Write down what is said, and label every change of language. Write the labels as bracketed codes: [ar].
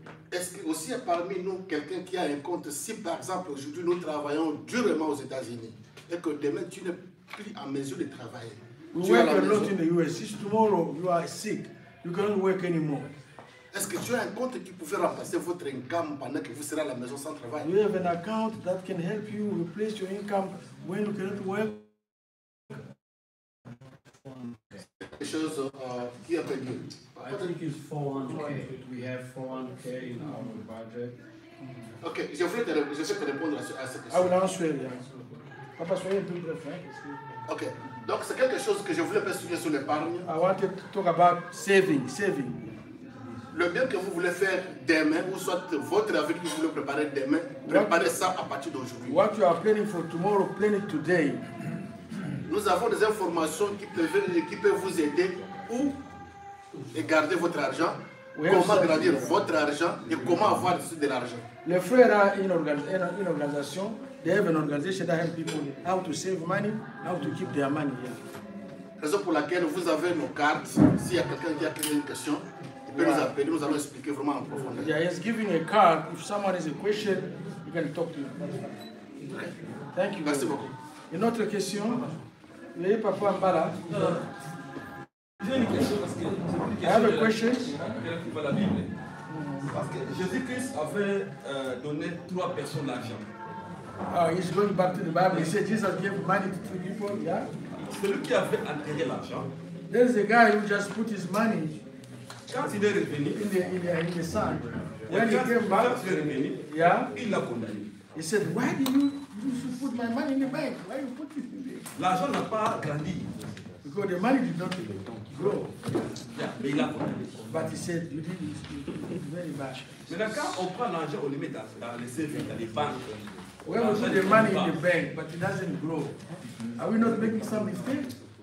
[fr] Est-ce que aussi parmi nous quelqu'un qui a un compte si par exemple aujourd'hui nous travaillons durement aux États-Unis et que demain tu n'es plus en mesure de travailler? [en] We work a lot in the US. If tomorrow you are sick, you cannot work anymore. [fr] Est-ce que tu as un compte qui pouvait remplacer votre income pendant que vous serez à la maison sans travail? [en] You have an account that can help you replace your income when you cannot work. [fr] Quelque chose qui a perdu. [en] I think it's 400K. We have 400K in our budget. [fr] Okay, je vais te répondre à cette question. [en] I will answer. Yeah. Papa, [fr] soyez plus bref. [en] Okay. [fr] Donc c'est quelque chose que je voulais mentionner sur l'épargne. [en] I wanted to talk about saving. [fr] Le bien que vous voulez faire demain, ou soit votre avenir que vous voulez préparer demain, préparez ça à partir d'aujourd'hui. [en] What you are planning for tomorrow, plan it today. [fr] Nous avons des informations qui peuvent vous aider où et garder votre argent, comment grandir votre argent et comment avoir de l'argent. Les frères ont une organisation. [en] They have an organization that helps people how to save money, how to keep their money. Yeah. [fr] Raison pour laquelle vous avez nos cartes. S'il y a quelqu'un qui a une question, il peut nous appeler. Nous allons expliquer vraiment en profondeur. [en] Yeah, he's giving a card. If someone has a question, you can talk to him. Okay. Thank you. [fr] Merci beaucoup. Une autre question. Le papa Mbala. J'ai une question parce que. [en] I have a question. [fr] La Bible. Parce que Jésus-Christ avait donné trois personnes l'argent. [en] He's going back to the Bible. He said Jesus gave money to three people. Yeah. [fr] Celui qui avait enterré l'argent. [en] There's a guy who just put his money. [fr] Quand il est revenu, [en] in the sand. When he came back, [fr] quand il est revenu, il l'a condamné. [en] He said, why did you put my money in the bank? Why you put it in there? [fr] L'argent n'a pas grandi. [en] Because the money did not grow. [fr] Yeah, mais il l'a condamné. [en] But he said you did it very bad. [fr] Mais là, quand on prend l'argent, on le met dans les savings, dans les banques. [en] When we put the money in the bank, but it doesn't grow, are we not making some mistake?